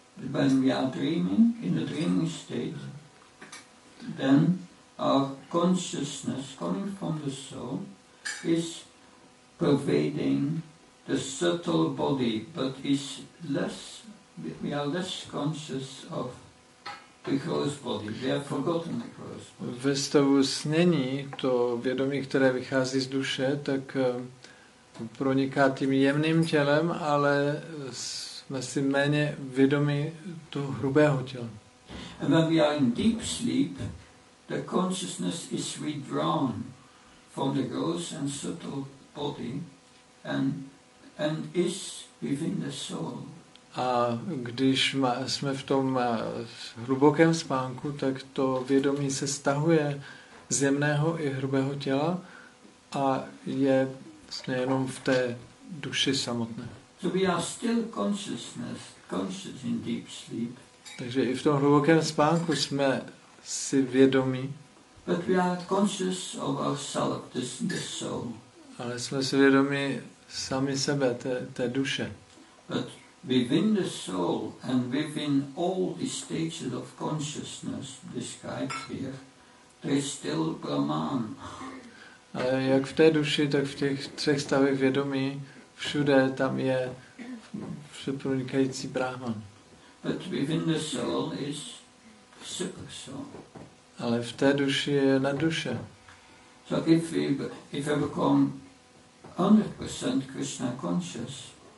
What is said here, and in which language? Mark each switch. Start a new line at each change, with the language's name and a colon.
English: When we are dreaming, in the dreaming state, then our consciousness coming from the soul is pervading the subtle body, but is less, we are less conscious of the gross body. We have forgotten the gross body.
Czech: Ve stavu snění, to vědomí, které vychází z duše, tak proniká tím jemným tělem, ale jsme si méně vědomi toho hrubého těla.
English: And when we are in deep sleep, the consciousness is withdrawn from the gross and subtle body and is within the soul.
Czech: A když jsme v tom hlubokém spánku, tak to vědomí se stahuje z jemného i hrubého těla a je vlastně jenom v té duši samotné.
English: So we are still conscious in deep sleep.
Czech: Takže i v tom hlubokém spánku jsme si vědomí.
English: But we are conscious of ourself, this soul.
Czech: Ale jsme si vědomí sami sebe, té duše.
English: But within the soul and within all the stages of consciousness described here, there is still Brahman.
Czech: A jak v té duši, tak v těch třech stavech vědomí, všude tam je všeprůnikající Brahman.
English: But within the soul is super soul.
Czech: Ale v té duši je nadduše.
English: So if we become 100% Krishna conscious,